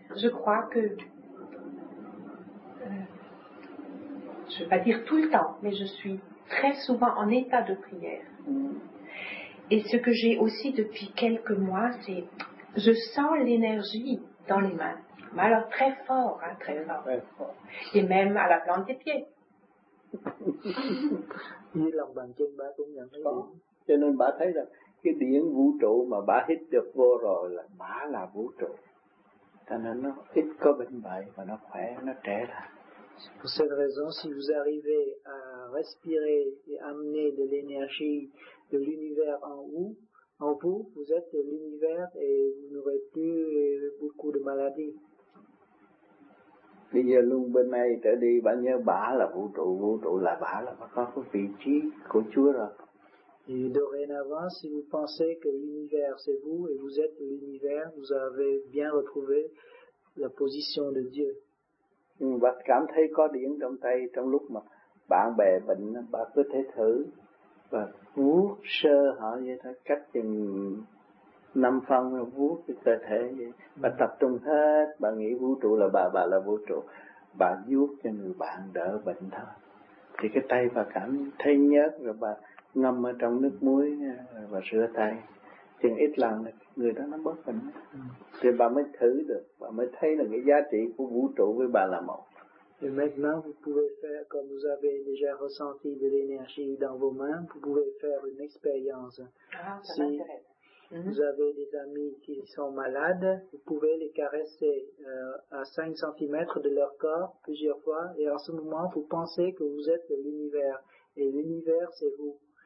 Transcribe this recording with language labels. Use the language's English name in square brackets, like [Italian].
[French] Je crois que je ne vais pas dire tout le temps, mais je suis très souvent en état de prière. Et ce que j'ai aussi depuis quelques mois, c'est je sens l'énergie dans les mains. Mais alors très fort, hein, très fort. Très fort. Et même à la plante des pieds. [Vietnamese] Như lòng bàn chân ba cũng nhận thấy. Cho nên ba thấy là cái điển vũ trụ mà ba hít được vô rồi là ba là vũ trụ. Cho nên nó ít có bệnh bại và nó khỏe, nó trẻ lại. [French] Pour cette raison, si vous arrivez à respirer et amener de l'énergie de l'univers en vous, vous êtes de l'univers et vous n'aurez plus beaucoup de maladies. [Vietnamese] Bây giờ luôn bên này trở đi, bạn nhớ bả là vũ trụ là bả là có cái vị trí của Chúa rồi. [French] Et dorénavant, si vous pensez que l'univers c'est vous et vous êtes l'univers, vous avez bien retrouvé la position de Dieu. [Vietnamese] Bạn cảm thấy có điện trong tay trong lúc mà bạn bè bệnh, bạn cứ thể thử và vuốt sơ họ như thế, cách chừng 5 phân vuốt cái cơ thể vậy. Bà tập trung hết, bà nghĩ vũ trụ là bà là vũ trụ. Bà vuốt cho người bạn đỡ bệnh thôi. Thì cái tay bà cảm thấy nhớt rồi bà ngâm ở trong nước muối và rửa tay. Chừng ít lần người đó nó bớt bệnh. Thì bà mới thử được, bà mới thấy là cái giá trị của vũ trụ với bà là một. [French] Et maintenant, vous pouvez faire, comme vous avez déjà ressenti de l'énergie dans vos mains, vous pouvez faire une expérience. Ah, ça m'intéresse. Vous avez des amis qui sont malades, vous pouvez les caresser à 5 cm de leur corps plusieurs fois, et en ce moment, vous pensez que vous êtes l'univers, et l'univers, c'est vous.